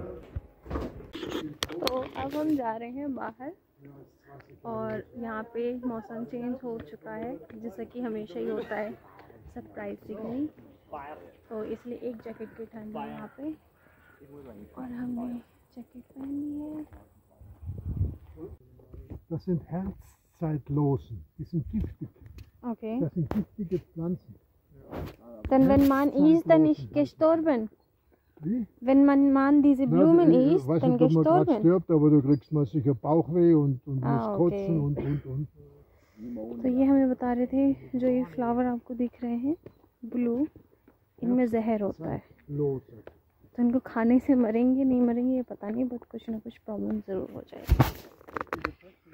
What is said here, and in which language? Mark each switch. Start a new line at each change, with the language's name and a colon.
Hindi: हम जा रहे हैं बाहर और यहाँ पे मौसम चेंज हो चुका है, जैसा कि हमेशा ही होता है सरप्राइजिंगली, तो इसलिए एक जैकेट की ठंड है यहाँ पे और हमने जैकेट पहनी है।
German: Das sind Herbstzeitlosen, die sind giftig. Okay. Das sind giftige Pflanzen. Dann wenn man isst, dann ist gestorben. Wie? Wenn man diese Blumen isst, dann gestorben. Ich weiß nicht, ob man gerade stirbt, aber du kriegst mal sicher Bauchweh und musst kotzen und.
Hindi: So, ये हमें बता रहे थे, जो ये flower आपको दिख रहे हैं ब्लू, इनमें जहर होता है, तो इनको खाने से मरेंगे नहीं मरेंगे ये पता नहीं, बट कुछ ना कुछ प्रॉब्लम जरूर हो जाएगी।